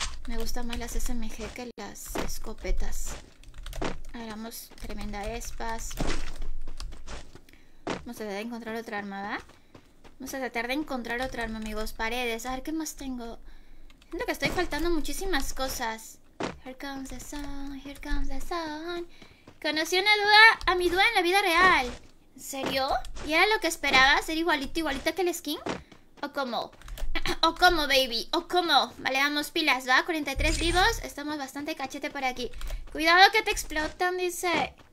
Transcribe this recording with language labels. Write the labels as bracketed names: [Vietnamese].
[Spanish] Me gustan más las SMG que las escopetas. Hagamos tremenda espas. Vamos a tratar de encontrar otra arma, ¿va? Vamos a tratar de encontrar otra arma, amigos. Paredes, a ver qué más tengo. Siento que estoy faltando muchísimas cosas. [English] Here comes the sun, here comes the sun. [Spanish] Conocí una duda, a mi duda en la vida real. ¿En serio? ¿Y era lo que esperaba? ¿Ser igualito, igualita que el skin? ¿O cómo? ¿O cómo, baby? ¿O cómo? Vale, vamos, pilas, ¿va? 43 vivos. Estamos bastante cachete por aquí. Cuidado que te explotan, dice.